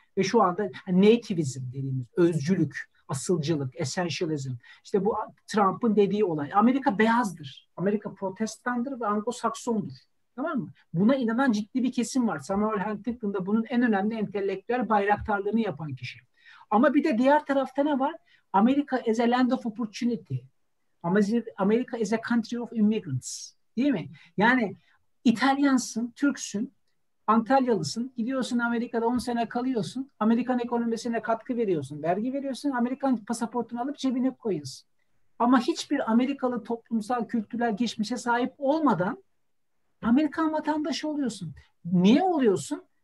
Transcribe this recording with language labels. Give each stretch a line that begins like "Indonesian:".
Turkish: Ve şu anda nativism dediğimiz, özcülük, asılcılık, essentialism. İşte bu Trump'ın dediği olay. Amerika beyazdır, Amerika protestandır ve Anglo-Saksondur. Tamam mı? Buna inanan ciddi bir kesim var. Samuel Huntington da bunun en önemli entelektüel bayraktarlığını yapan kişi. Ama bir de diğer tarafta ne var?
English: Amerika is a land of opportunity. Amerika is a country of immigrants.
Turkish: Değil mi? Yani İtalyansın, Türksün, Antalyalısın, gidiyorsun Amerika'da 10 sene kalıyorsun, Amerikan ekonomisine katkı veriyorsun, vergi veriyorsun, Amerikan pasaportunu alıp cebine koyuyorsun. Ama hiçbir Amerikalı toplumsal, kültürel geçmişe sahip olmadan Amerikan vatandaşı oluyorsun. Niye oluyorsun?